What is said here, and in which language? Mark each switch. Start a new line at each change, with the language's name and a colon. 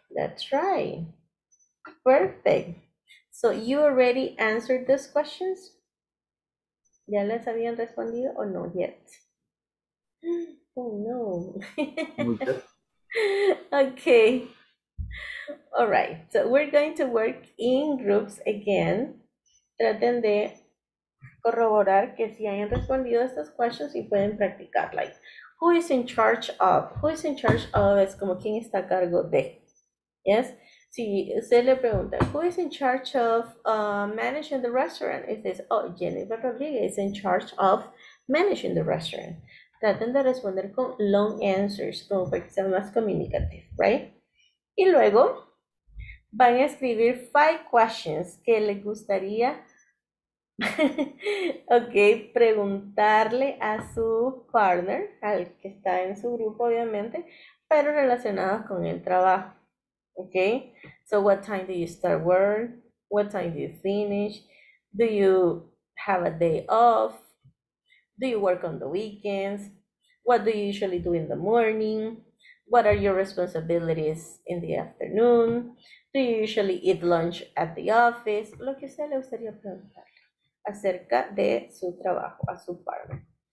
English: That's right. Perfect. So you already answered those questions?
Spanish: ¿Ya les habían respondido o no
English: yet? Oh no. Okay. All right, so we're going to work in groups again.
Spanish: Traten de corroborar que si hayan respondido estas questions y pueden practicar.
English: Like, who is in charge of? Who is in charge of?
Spanish: Es como quién está a cargo de.
English: Yes?
Spanish: Si usted le pregunta,
English: who is in charge of managing the restaurant? It says, oh, Jennifer Rodriguez is in charge of managing the restaurant.
Spanish: Traten de responder con
English: long answers,
Spanish: como para que sea más communicative, right? Y luego van a escribir 5 questions que les gustaría okay, preguntarle a su partner, al que está en su grupo, obviamente, pero relacionados con el trabajo.
English: Okay? So what time do you start work? What time do you finish? Do you have a day off? Do you work on the weekends? What do you usually do in the morning? What are your responsibilities in the afternoon? Do you usually eat lunch at the office?
Spanish: Lo que usted le gustaría preguntar acerca de su trabajo, a su partner.